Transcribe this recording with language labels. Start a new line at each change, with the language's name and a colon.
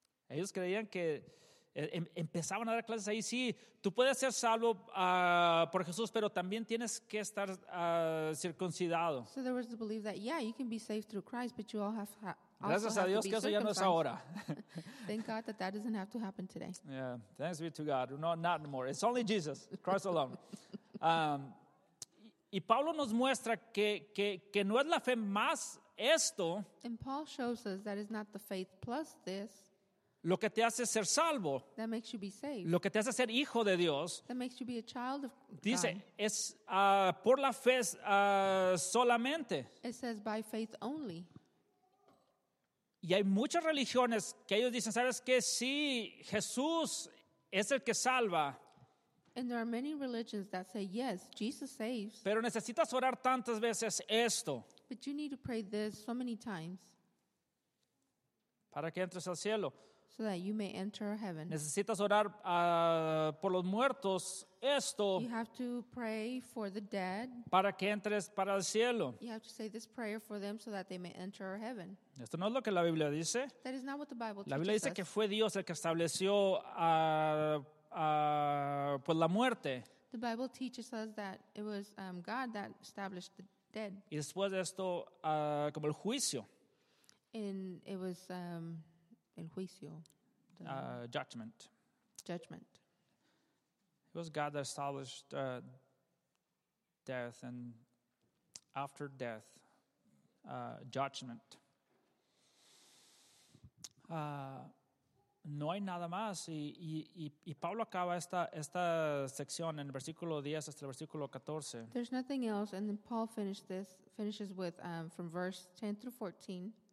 Spanish: Ellos creían que empezaban a dar clases ahí. Sí, tú puedes ser salvo por Jesús, pero también tienes que estar circuncidado.
English: So there was the belief that yeah, you can be saved through Christ, but you all have also have to be circumcised.
Spanish: Gracias a Dios que eso ya no es ahora.
English: Thank God that doesn't have to happen today. Yeah, thanks be to God. No, not anymore. It's only Jesus, Christ alone.
Spanish: Y Pablo nos muestra que no es la fe más esto.
English: And Paul shows us that is not the faith plus this.
Spanish: Lo que te hace ser salvo.
English: That makes you be saved.
Spanish: Lo que te hace ser hijo de Dios.
English: That makes you be a child of God.
Spanish: Dice, es por la fe solamente.
English: It says by faith only.
Spanish: Y hay muchas religiones que ellos dicen, ¿sabes qué? Sí, Jesús es el que salva.
English: And there are many religions that say, yes, Jesus saves.
Spanish: Pero necesitas orar tantas veces esto.
English: But you need to pray this so many times.
Spanish: Para que entres al cielo.
English: So that you may enter heaven.
Spanish: Necesitas orar por los muertos esto.
English: You have to pray for the dead.
Spanish: Para que entres para el cielo.
English: You have to say this prayer for them so that they may enter heaven.
Spanish: Esto no es lo que la Biblia dice.
English: That is not what the Bible teaches.
Spanish: La Biblia dice
English: us.
Spanish: Que fue Dios el que estableció a pues la muerte.
English: The Bible teaches us that it was God that established the dead.
Spanish: Y después de esto como el juicio.
English: And it was el juicio. Judgment. Judgment. It was God that established death and after death judgment.
Spanish: No hay nada más. Y Pablo acaba esta sección en el versículo 10 hasta el versículo 14.
English: There's nothing else. And then Paul finishes with from verse 10 through 14.